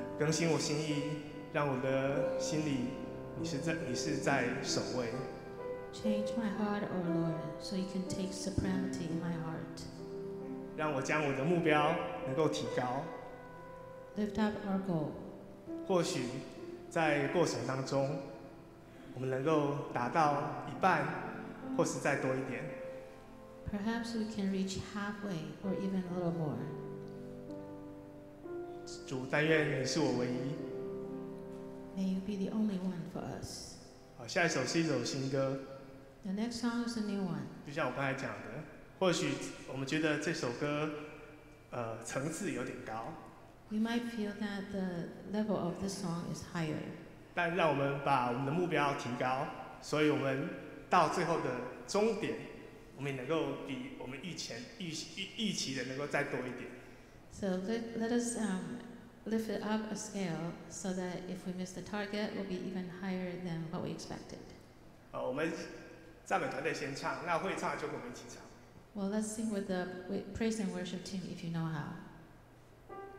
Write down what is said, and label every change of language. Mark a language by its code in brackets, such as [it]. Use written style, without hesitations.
[zh] 心我心意，让我的心里你是在首位。 [en] Change my heart, O Lord, so you can take supremacy in my heart. [zh] 让我将我的目标能够提高。 [en] Lift up our goal. [zh] 或许在过程当中，我们能够达到一半，或是再多一点。 [en] Perhaps we can reach halfway or even a little more. [zh] 主，但愿你是我唯一。 [en] May you be the only one for us. [zh] 好，下一首是一首新歌。 [en] The next song is a new one. [zh] 就像我刚才讲的，或许我们觉得这首歌，层次有点高。 [en] We might feel that the level of the song is higher. [zh] 但让我们把我们的目标提高，所以我们到最后的终点，我们也能够比我们预期的能够再多一点。 [en] So let us lift it up a scale so that if we miss the target, we'll be even higher than what we expected. [zh] 我们赞美团队先唱，那会唱就跟我们一起唱。 [en] Well, let's sing with the praise and worship team if you know how.